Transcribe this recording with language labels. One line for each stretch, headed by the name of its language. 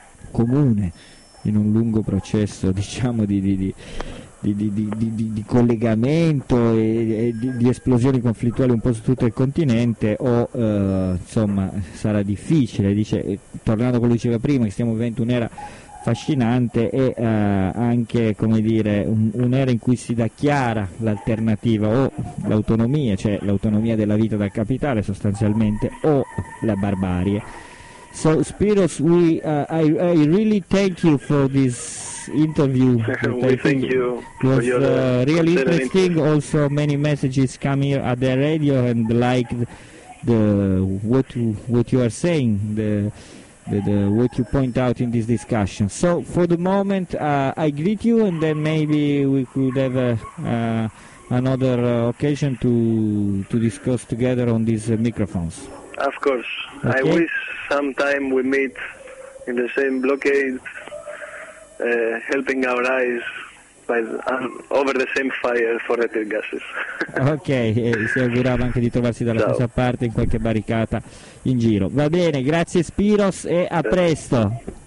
Italian: comune in un lungo processo, diciamo, di collegamento e di esplosioni conflittuali un po' su tutto il continente, o insomma sarà difficile. Dice, tornando a quello che diceva prima, che stiamo vivendo un'era affascinante e anche, come dire, un'era in cui si dà chiara l'alternativa o l'autonomia, cioè l'autonomia della vita dal capitale sostanzialmente, o la barbarie.
English: So Spiros, we I really thank you for this interview. Thank you, it was really interesting. Also many messages come here at the radio and like the what you are saying, the what you point out in this discussion. So for the moment I greet you, and then maybe we could have another occasion to discuss together on these microphones. Of course. Okay. I wish sometime we meet in the same blockade, helping our eyes by over the same fire for the tear gases.
Italian: Okay, si augurava anche di trovarsi dalla stessa parte in qualche barricata in giro. Va bene, grazie Spiros e a presto.